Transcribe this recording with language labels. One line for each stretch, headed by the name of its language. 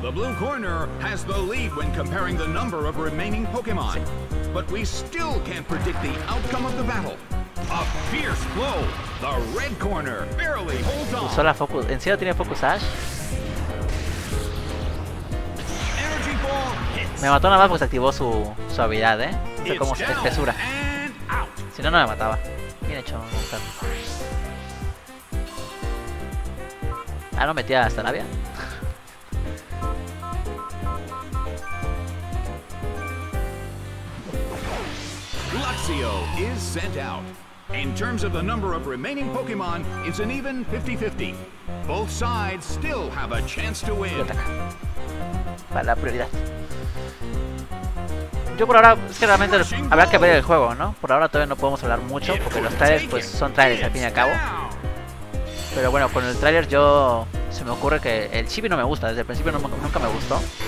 English: The blue corner has the lead when comparing the number of remaining Pokémon. But we still can't predict the outcome of the battle. A fierce blow. The red corner barely holds on.
Spanish: Usó la focus. ¿En serio tiene focus Ash?
English: Energy ball hits.
Spanish: Me mató nada más porque se activó su habilidad, ¿eh? Fue como su espesura. Si no, no me mataba. Bien hecho. Ah, no metía hasta la vía.
English: Luxio is sent out. In terms of the number of remaining Pokémon, it's an even 50-50. Both sides still have a chance to win.
Spanish: Para la prioridad. Yo por ahora, es que realmente habrá que ver el juego, ¿no? Por ahora todavía no podemos hablar mucho, porque los trailers pues son trailers al fin y al cabo. Pero bueno, con el trailer yo... se me ocurre que el chibi no me gusta, desde el principio no, nunca me gustó.